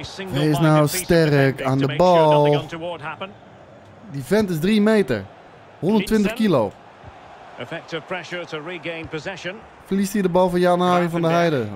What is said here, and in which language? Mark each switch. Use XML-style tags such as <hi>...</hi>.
<nl>Wees nou sterk aan de bal. Die vent is 3 meter. 120 kilo.</nl> <en>Effective pressure to regain possession.</en> <nl>Verliest hij de bal van Jan-Hari van der Heijden?</nl>